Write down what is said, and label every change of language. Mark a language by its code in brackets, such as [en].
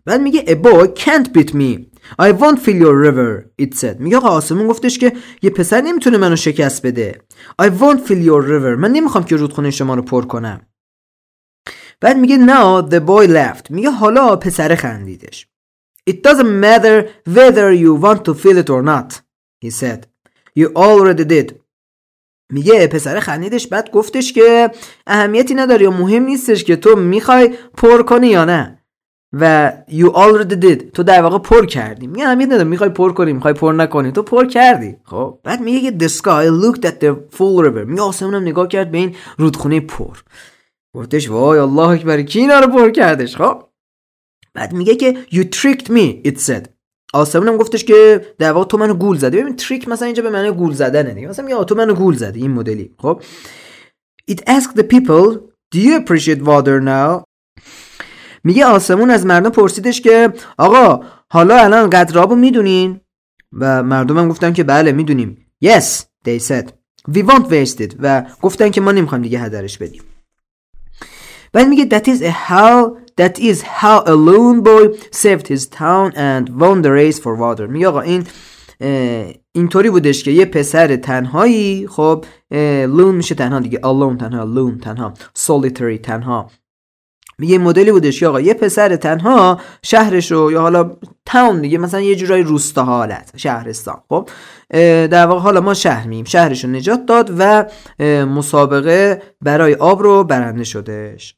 [fa] بعد میگه [en] a boy can't beat me I won't fill your river it said. [fa] میگه آقا آسمون گفتش که یه پسر نمیتونه منو شکست بده. [en] I won't fill your river، [fa] من نمیخوام که رودخونه شما رو پر کنم. بعد میگه [en] now the boy left، [fa] میگه حالا پسر خندیدش. [en] It doesn't matter whether you want to fill it or not he said. You already did. [fa] میگه پسر خندیدش، بعد گفتش که اهمیتی نداره یا مهم نیستش که تو میخوای پر کنی یا نه، و [en] you already did، [fa] تو در واقع پر کردی. میگه اهمیت نداره میخوای پر کنی میخوای پر نکنی، تو پر کردی. خب بعد میگه که [en] the sky looked at the full river، [fa] میگه آسمونم نگاه کرد به این رودخونه پر، گفتش وای الله اکبر کی اینا رو پر کردش. خب بعد میگه که [en] you tricked me it said. [fa] آسمونم گفتش که در واقع تو منو گول زدی. ببین تریک مثلا اینجا به معنی گول زدنه دیگه، مثلا میگه تو منو گول زدی این مدلی. خب [en] it asked the people do you appreciate water now، [fa] میگه آسمون از مردم پرسیدش که آقا حالا الان قدر آبو میدونین، و مردمم گفتن که بله میدونیم. [en] yes they said we won't waste it، [fa] و گفتن که ما نمیخوایم دیگه هدرش بدیم. بعد میگه [en] that is how a lone boy saved his town and won the race for water. [fa] میگه آقا این اینطوری بودش که یه پسر تنهایی، خب lone میشه تنها دیگه، alone تنها، lone تنها، solitary تنها. میگه مدلی بودش که آقا یه پسر تنها شهرش رو، یا حالا تاون دیگه، مثلا یه جورای روستا حالت، شهرستان، خب در واقع حالا ما شهر میگیم، شهرش رو نجات داد و مسابقه برای آب رو برنده شدش.